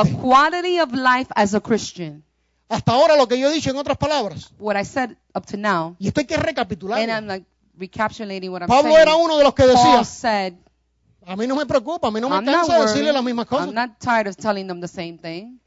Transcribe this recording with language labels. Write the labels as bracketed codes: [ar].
[en] And the quality of life as a Christian. [es] Hasta ahora lo que yo he dicho en otras palabras. [en] What I said up to now. [es] Y esto hay que recapitular. [en] And I'm like recapitulating what I'm [es] Pablo [en] saying. [es] Pablo era uno de los que decía. [en] Paul said. [es] A mí no me preocupa, a mí no me canso de decirle las mismas cosas. [en] I'm not tired of telling them the same thing.